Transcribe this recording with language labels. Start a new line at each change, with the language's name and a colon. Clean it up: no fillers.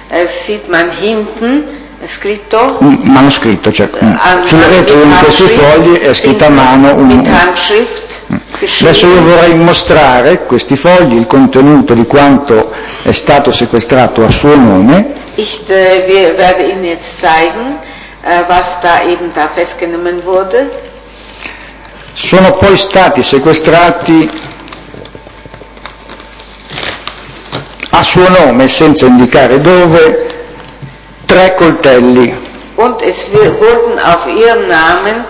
German: sieht man hinten
Italian: scritto manoscritto, cioè sulla rete uno di questi fogli è scritto a mano
German: Handschrift.
Italian: Adesso io vorrei mostrare questi fogli, il contenuto di quanto è stato sequestrato a suo nome.
German: Ich werde Ihnen jetzt zeigen, was da eben da festgenommen wurde.
Italian: Sono poi stati sequestrati a suo nome, senza indicare dove, 3 coltelli.
German: Und es wurden auf ihrem Namen